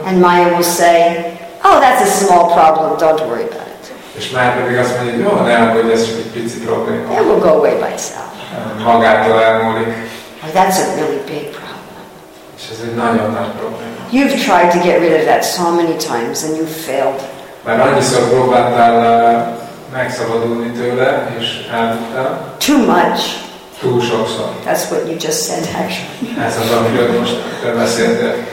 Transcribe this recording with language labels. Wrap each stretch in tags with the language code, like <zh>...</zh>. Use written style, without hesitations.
<en>And Maya will say, oh, that's a small problem, don't worry about it.</en> <hu>És Maya pedig azt mondja, jó, ne aggódj, ez csak egy pici probléma.</hu> <en>It will go away by itself.</en> <hu>Magától elmúlik.</hu> <en>Oh, that's a really big problem.</en> <hu>És ez egy nagyon nagy probléma.</hu> <en>You've tried to get rid of that so many times, and you've failed.</en> <hu>Már annyiszor próbáltál megszabadulni tőle, és elmúltál.</hu> <en>Too much.</en> <hu>Túl sokszor.</hu> <en>That's what you just said, actually.</en> <hu>Ez az, amiről most beszéltél.</hu>